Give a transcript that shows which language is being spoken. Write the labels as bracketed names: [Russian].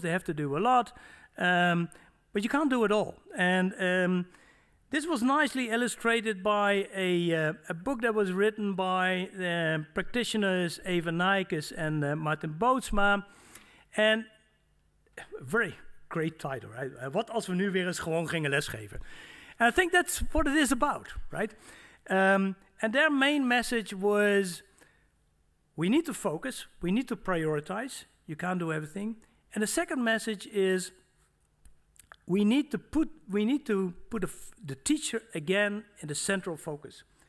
[English] They have to do a lot, but you can't do it all. And this was nicely illustrated by a book that was written by the practitioners Eva Nijkes and Martin Bootsma, and very great title, right? [Dutch] Wat als we nu weer eens gewoon gingen lesgeven? [English] And I think that's what it is about, right? And their main message was, we need to focus, we need to prioritize, you can't do everything. And the second message is, we need to put the teacher again in the central focus.